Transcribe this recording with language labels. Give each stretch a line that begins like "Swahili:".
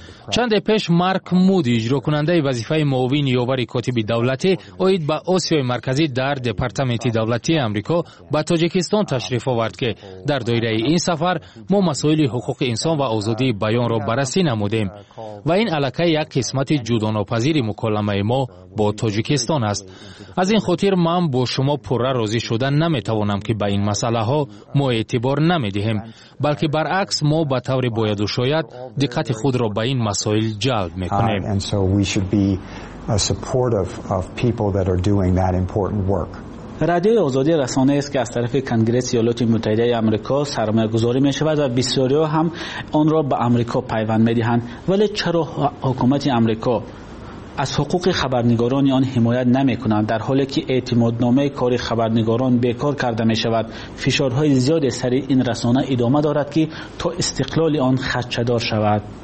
Persian: چند پیش مارک مودی اجرا کننده وظیفه معاون یاور کاتب دولتی اوید به آسیای مرکزی در دپارتمنت دولتی آمریکا به تاجیکستان تشریف آورد که در دایره این سفر ما مسائل حقوق انسان و آزادی بیان را بررسی نمودیم و این علاقه یک قسمت جداناپذیر مکالمه ما با تاجیکستان است. از این خاطر من با شما پوره راضی شدن نمی توانم که به این مسئله ها ما اعتبار نمی دهیم، بلکه برعکس ما به طور باید و شاید دقت خود را به این مسائل جلب میکنیم.
English: And so we should be supportive of people that are doing that important work.
Persian: رادیو آزادی رسانه است که از طرف کنگره ایالات متحده آمریکا سرمایه گذاری می شود و بسیاری ها هم آن را به آمریکا پیوند می دهند. ولی چرا حکومت آمریکا از حقوق خبرنگاران آن حمایت نمی کنند در حالی که اعتمادنامه کار خبرنگاران بیکار کرده می شود؟ فشارهای زیاد سری این رسانه ادامه دارد که تا استقلال آن خدشه‌دار شود.